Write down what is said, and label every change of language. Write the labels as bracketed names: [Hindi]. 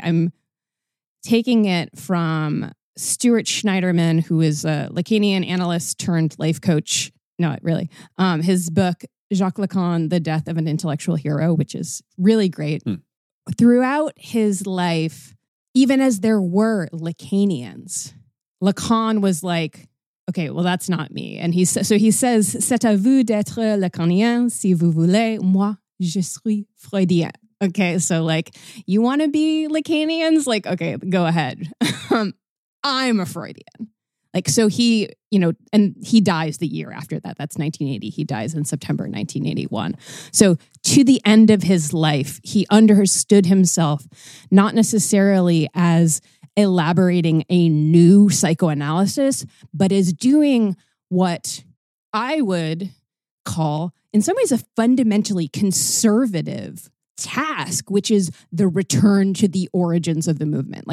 [English] I'm taking it from Stuart Schneiderman, who is a Lacanian analyst turned life coach not really. His book, Jacques Lacan, The Death of an Intellectual Hero, which is really great. Mm. Throughout his life, even as there were Lacanians, Lacan was like, okay, well, that's not me. And he so he says, [French] c'est à vous d'être Lacanien si vous voulez, moi, je suis Freudien. [English] Okay, so like, you want to be Lacanians? Like, okay, go ahead. I'm a Freudian. Like, so he, you know, and he dies the year after that. That's 1980. He dies in September 1981. So to the end of his life, he understood himself not necessarily as elaborating a new psychoanalysis, but as doing what I would call, in some ways, a fundamentally conservative task, which is the return to the origins of the movement.